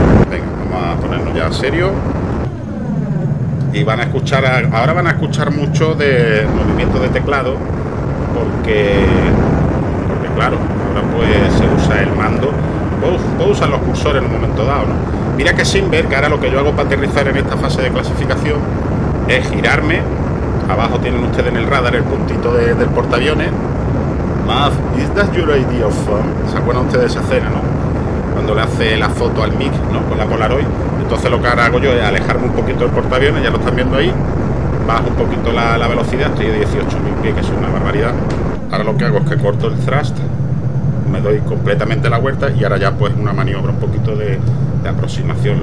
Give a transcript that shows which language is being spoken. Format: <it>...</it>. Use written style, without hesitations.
<es>Venga, vamos a ponernos ya serio. Y van a escuchar, ahora van a escuchar mucho de movimiento de teclado, porque claro, ahora pues se usa el mando. Puedo usar los cursores en un momento dado, ¿no? Mira que sin ver, que ahora lo que yo hago para aterrizar en esta fase de clasificación es girarme. Abajo tienen ustedes en el radar el puntito del portaaviones.</es> <en>Math, is that your idea of fun?</en> <es>¿Se acuerdan ustedes de esa escena, no? Cuando le hace la foto al MIG, ¿no? Con la Polaroid. Entonces lo que ahora hago yo es alejarme un poquito del portaaviones, ya lo están viendo ahí. Bajo un poquito la velocidad, estoy a 18.000 pies, que es una barbaridad. Ahora lo que hago es que corto el thrust. Me doy completamente la vuelta y ahora ya pues una maniobra un poquito de aproximación.</es>